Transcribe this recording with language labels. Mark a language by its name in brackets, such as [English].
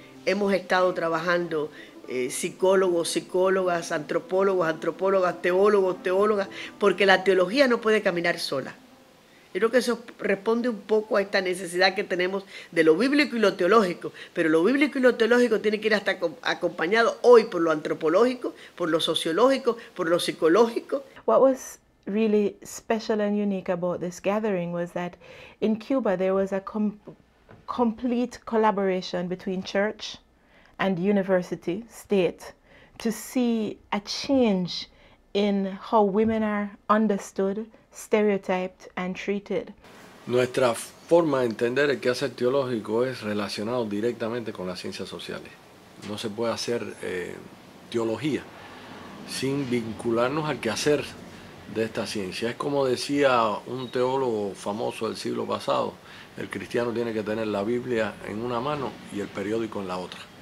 [Spanish] Hemos estado trabajando psicólogos, psicólogas, antropólogos, antropólogas, teólogos, teólogas, porque la teología no puede caminar sola. Yo creo que eso responde un poco a esta necesidad que tenemos de lo bíblico y lo teológico, pero lo bíblico y lo teológico tiene que ir hasta acompañado hoy por lo antropológico, por lo sociológico, por lo psicológico. [English] What was really special and unique about this gathering was that in Cuba there was a complete collaboration between church and university, state, to see a change in how women are understood, stereotyped, and treated. [Spanish] Nuestra forma de entender el quehacer teológico es relacionado directamente con las ciencias sociales. No se puede hacer teología sin vincularnos al quehacer de esta ciencia. Es como decía un teólogo famoso del siglo pasado, el cristiano tiene que tener la Biblia en una mano y el periódico en la otra.